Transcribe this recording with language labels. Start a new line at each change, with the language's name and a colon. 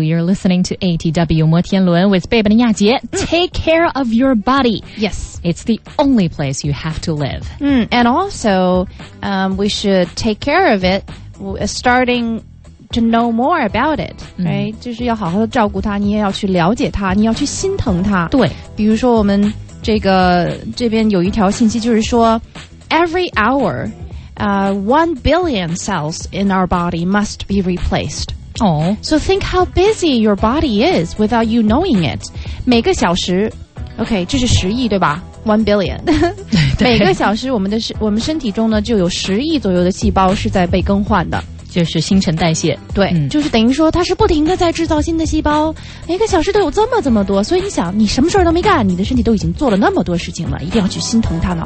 English: You're listening to ATW 摩天轮 with Babe and 亚杰 Take care of your body. Yes. It's the only place you have to live. And also, we should take care of it, starting to know more about it. Right?
Chinese: 就是要好好的照顾它，你也要去了解它，你要去心疼它。对。比如说我们这个这边有一条信息就是说
English: Every hour,1 billion cells in our body must be replaced. Oh. So think how busy your body is without you knowing it.
Chinese: 每个小时 okay, 这是十亿对吧 ?1 billion. 每个小时我们身体中呢就有十亿左右的细胞是在被更换的。就是新陈代谢。对、嗯、就是等于说它是不停的在制造新的细胞每个小时都有这么多。所以你想你什么事儿都没干你的身体都已经做了那么多事情了一定要去心疼它呢。